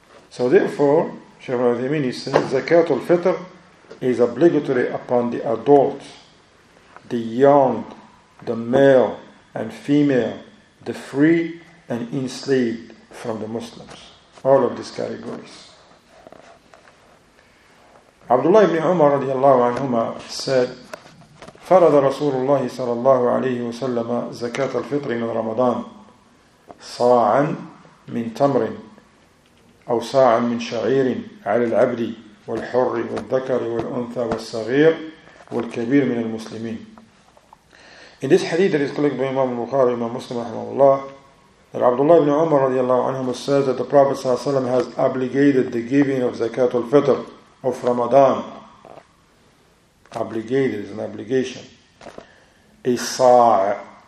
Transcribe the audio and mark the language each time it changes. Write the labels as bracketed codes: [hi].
[en] So therefore, Shaykh Uthaymeen says, Zakat al-Fitr is obligatory upon the adult, the young, the male and female, the free and enslaved from the Muslims. All of these categories. Abdullah ibn Umar radiallahu anhuma said, [ar] فَرَضَ رَسُولُ اللَّهِ صَلَى اللَّهُ عَلَيْهِ وَسَلَّمَ زَكَاةَ الْفِطْرِ مِنْ رَمَضَانِ صَاعًا مِنْ تَمْرٍ أو ساعة من شعير على العبد والحر والذكر والأنثى والصغير والكبير من المسلمين. [en] In this hadith that is collected by Imam Bukhari, Imam Muslim, rahimahullah, that Abdullah ibn Umar radiallahu anhu says that the Prophet sallallahu alaihi wasallam has obligated the giving of Zakat al-Fitr of Ramadan. Obligated is an obligation. A sa'a.